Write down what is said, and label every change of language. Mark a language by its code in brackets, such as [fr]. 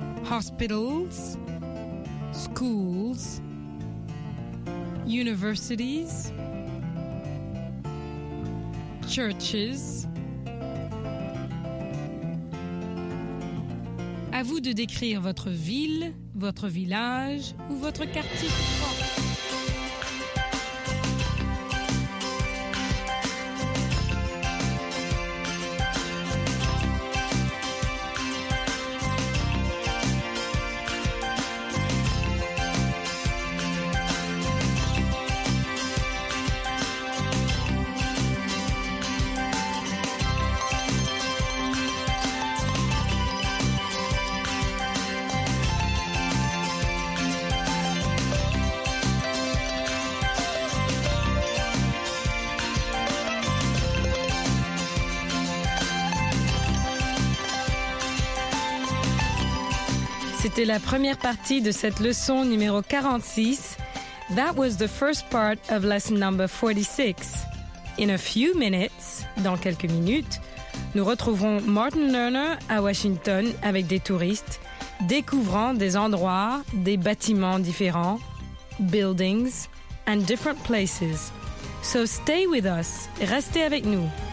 [en] Hospitals, schools, universities, churches. [fr] À vous de décrire votre ville, votre village ou votre quartier. C'était la première partie de cette leçon numéro 46. [en] That was the first part of lesson number 46. In a few minutes, [fr] dans quelques minutes, nous retrouverons Martin Lerner à Washington avec des touristes, découvrant des endroits, des bâtiments différents, [en] buildings, and different places. So stay with us, [fr] restez avec nous.